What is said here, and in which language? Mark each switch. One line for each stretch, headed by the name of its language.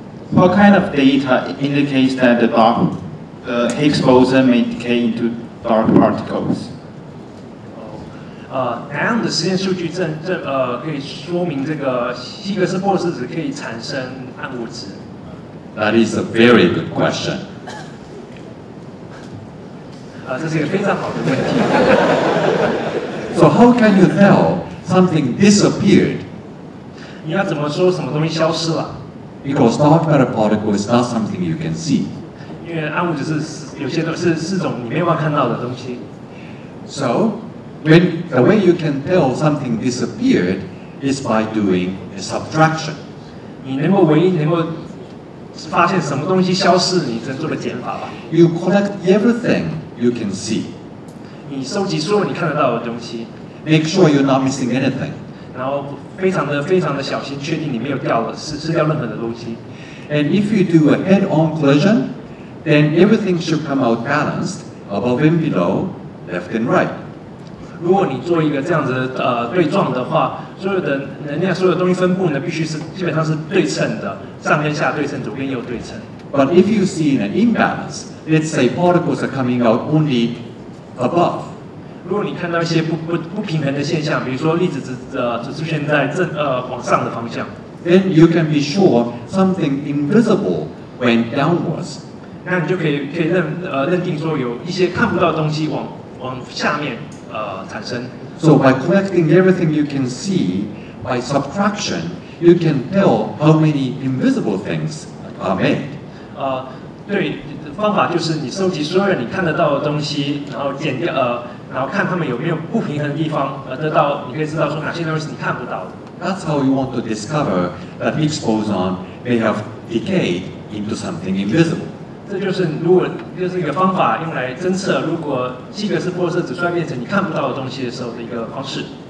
English: What kind of data indicates that the Higgs boson may decay into dark particles?
Chinese: 哪样的实验数据可以说明这个希格斯玻色子可以产生暗物质
English: ？That is a very good question.
Chinese: 这是一个非常好的问题。
English: So how can you tell something disappeared?
Chinese: 你要怎么说什么东西消失了
English: ？Because dark matter particle is not something you can see.
Chinese: 因为暗物质是有些都是四种你没有办法看到的东西。
English: So. The way you can tell something disappeared is by doing a subtraction.
Chinese: 你能够发现什么东西消失，你就做个减法吧。
English: You collect everything you can see.
Chinese: 你收集所有你看得到的东西。
English: Make sure you're not missing anything.
Chinese: 然后非常的小心，确定你没有失掉任何的东西。
English: And if you do a head-on collision, then everything should come out balanced, above and below, left and right.
Chinese: 如果你做一个这样子的对撞的话，所有的能量、所有的东西分布呢，必须是基本上是对称的，上跟下对称，左跟右对称。
English: But if you see an imbalance, let's say particles are coming out only above.
Chinese: 如果你看到一些不平衡的现象，比如说粒子只出现在正往上的方向。
English: Then you can be sure something invisible went downwards.
Chinese: 那你就可以认定说有一些看不到的东西往下面产生。
English: So by collecting everything you can see by subtraction, you can tell how many invisible things are made.
Chinese: 对，方法就是你收集所有你看得到的东西，然后减掉然后看他们有没有不平衡的地方，得到你可以知道说哪些东西是你看不到的。
English: That's how you want to discover that Higgs boson may have decayed into something invisible.
Chinese: 这就是如果就是一个方法用来侦测如果希格斯玻色子衰变成你看不到的东西的时候的一个方式。